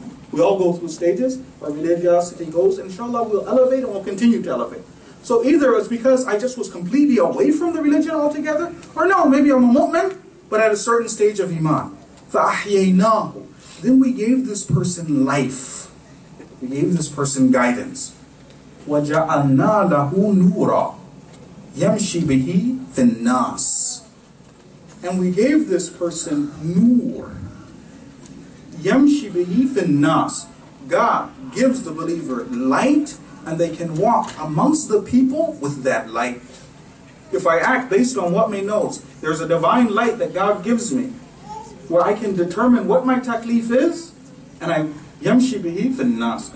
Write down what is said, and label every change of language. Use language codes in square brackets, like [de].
[en] We all go through stages. Our religiosity goes, inshallah, we'll elevate and we'll continue to elevate. So either it's because I just was completely away from the religion altogether, or no, maybe I'm a mu'min, but at a certain stage of iman. [ar] فَأَحْيَيْنَاهُ [en] Then we gave this person life. We gave this person guidance. [ar] وَجَعَلْنَا لَهُ نُورًا يَمْشِي بِهِ فِي النَّاسِ [en] And we gave this person nur. [ar] يَمْشِي بِهِ فِي النَّاسِ [en] God gives the believer light, and they can walk amongst the people with that light. If I act based on what me knows, there's a divine light that God gives me, where I can determine what my taklif is, and I [ar] yamshi bihi finnas.